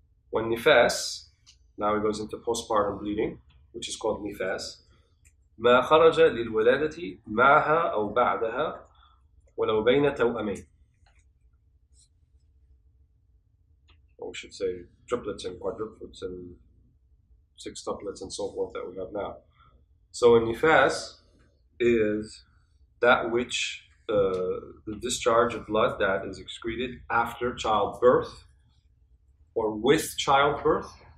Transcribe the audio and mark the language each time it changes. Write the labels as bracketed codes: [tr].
[en] When nifas, now it goes into postpartum bleeding, which is called nifas. [ar] ما خرج للولادة معها أو بعدها ولو بين توأمين. [en] Or we should say triplets and quadruplets and sextuplets and so forth that we have now. So a nifas is that which the discharge of blood that is excreted after childbirth or with childbirth.